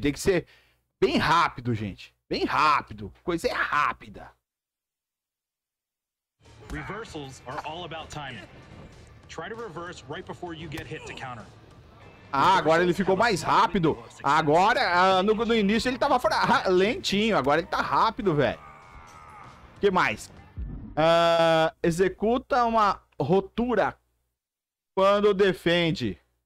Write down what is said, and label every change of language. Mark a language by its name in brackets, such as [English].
[Portuguese] Tem que ser bem rápido, gente. Bem rápido. Coisa é rápida. [English] Reversals are all about timing. Try to reverse right before you get hit to counter. [Portuguese] Ah, agora ele ficou mais rápido. Agora, no início ele tava lentinho. Agora ele tá rápido, velho. O que mais? Executa uma rotura quando defende.